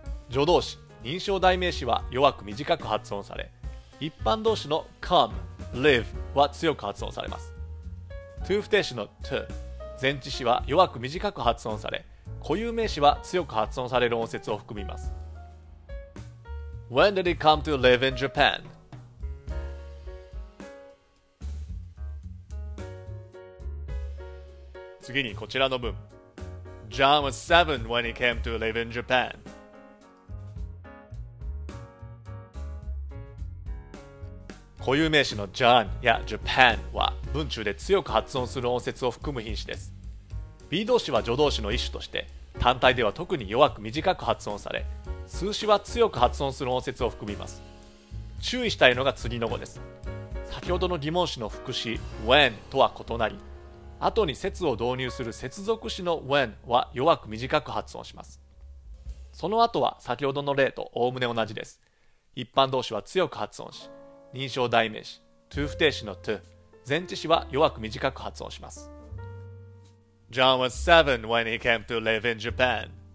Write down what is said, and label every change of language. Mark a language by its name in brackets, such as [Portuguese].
[Japanese] 助動詞、認証代名詞は弱く短く発音され、一般動詞の come、live は強く発音されます。 to 不定詞の to、 前置詞は弱く短く発音され、固有名詞は強く発音される音節を含みます。 [English] When did he come to live in Japan? [Japanese] 次にこちらの文。 [English] John was seven when he came to live in Japan. [Japanese] 固有名詞の John や Japan は文中で強く発音する音節を含む品詞です。 B 動詞は助動詞の一種として単体では特に弱く短く発音され、数詞は強く発音する音節を含みます。注意したいのが次の語です。先ほどの疑問詞の副詞 when とは異なり、後に節を導入する接続詞の when は弱く短く発音します。その後は先ほどの例と概ね同じです。一般動詞は強く発音し、認証代名詞 to 不定詞の to、 前置詞は弱く短く発音します。 [English] John was seven when he came to live in Japan。